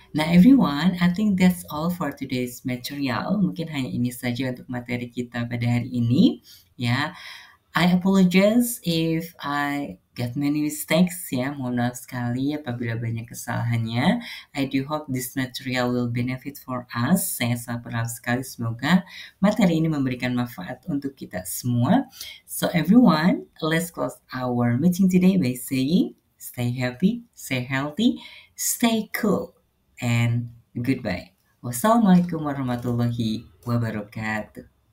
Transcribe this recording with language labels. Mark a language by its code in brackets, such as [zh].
[en] Nah, everyone, I think that's all for today's material. [id] Mungkin hanya ini saja untuk materi kita pada hari ini, ya. [en] I apologize if I got many mistakes, ya. [id] Mohon maaf sekali apabila banyak kesalahannya. [en] I do hope this material will benefit for us. [id] Saya sangat berharap sekali semoga materi ini memberikan manfaat untuk kita semua. [en] So everyone, let's close our meeting today by saying stay happy, stay healthy, stay cool, and goodbye. [ar] Wassalamualaikum warahmatullahi wabarakatuh.